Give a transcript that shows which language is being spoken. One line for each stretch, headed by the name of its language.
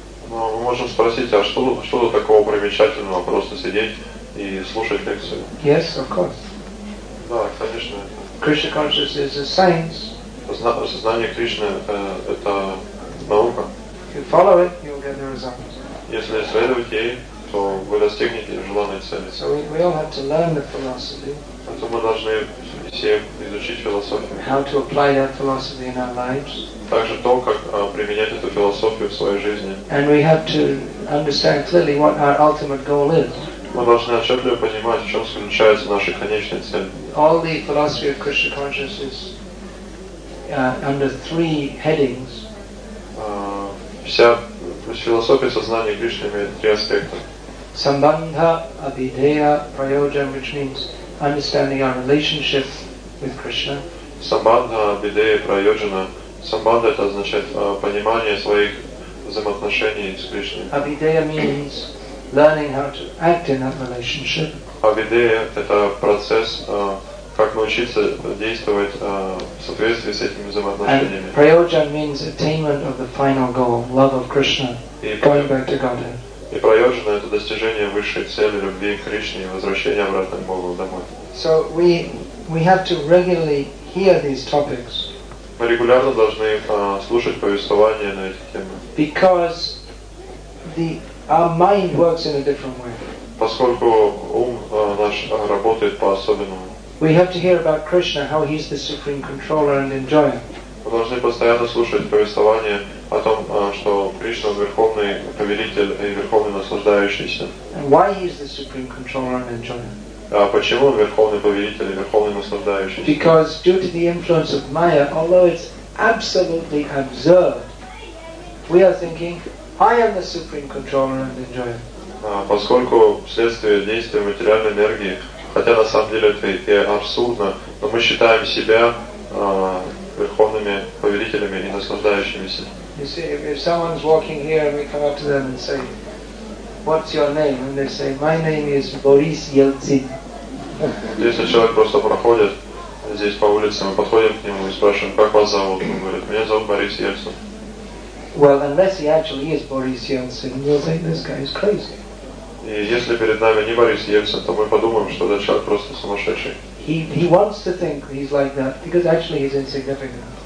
Russian: Но мы можем спросить, а что тут такого примечательного просто сидеть и слушать лекцию?
English: Yes, of course.
Russian: Да, конечно. Это.
English: Krishna consciousness is a science.
Russian: Сознание Кришны это наука.
English: If you follow it, you'll get the results.
Russian: Если следовать ей, то вы достигнете желанной цели.
English: So we all have to learn the philosophy.
Russian: Поэтому мы должны все изучить философию.
English: How to apply that philosophy in our lives.
Russian: Также то, как применять эту философию в своей жизни.
English: And we have to understand clearly what our ultimate goal is.
Russian: Мы должны отчетливо понимать, в чем заключается наша конечная цель.
English: All the philosophy of Krishna consciousness under three headings.
Russian: Вся философия сознания Кришны имеет три аспекта.
English: Sambandha, abhideya, prayojan, which means understanding our relationship with Krishna.
Sanskrit: Sambandha, abhideya, prayojana.
Russian: Sambandha это означает понимание своих взаимоотношений с Кришной.
English: Abhideya means learning how to act in that relationship.
Russian: Abhideya это процесс как научиться действовать в соответствии с этими взаимоотношениями.
English: And prayojan means attainment of the final goal, love of Krishna, going back to Godhead.
Russian: И prayojana это достижение высшей цели любви к Кришне и возвращение обратно к Богу домой.
English: So we have to regularly hear these topics.
Russian: Мы регулярно должны слушать повествования на эти темы.
English: Because our mind works in a different way.
Russian: Поскольку ум наш работает по-особенному.
English: We have to hear about Krishna, how he's the supreme controller and enjoyer.
Russian: Мы должны постоянно слушать повествования о том, что Кришна верховный повелитель и верховный наслаждающийся.
English: And why he is the supreme controller and enjoyer?
Russian: Почему он верховный повелитель и верховный наслаждающийся?
English: Because due to the influence of Maya, although it's absolutely absurd, we are thinking, I am the supreme controller and enjoyer.
Russian: Поскольку вследствие действия материальной энергии, хотя на самом деле это и абсурдно, но мы считаем себя верховными повелителями и наслаждающимися.
English: You see, if someone's walking here and we come up to them and say, what's your name? And they say, my name is Boris Yeltsin.
Russian: Если человек просто проходит здесь по улице, мы подходим к нему и спрашиваем, как вас зовут? Он говорит, меня зовут Борис Ельцин.
English: Well, unless he actually is Boris Yeltsin, you'll think this guy is crazy.
Russian: И если перед нами не Борис Ельцин, то мы подумаем, что этот человек просто сумасшедший.
English: He wants to think he's like that, because actually he's insignificant.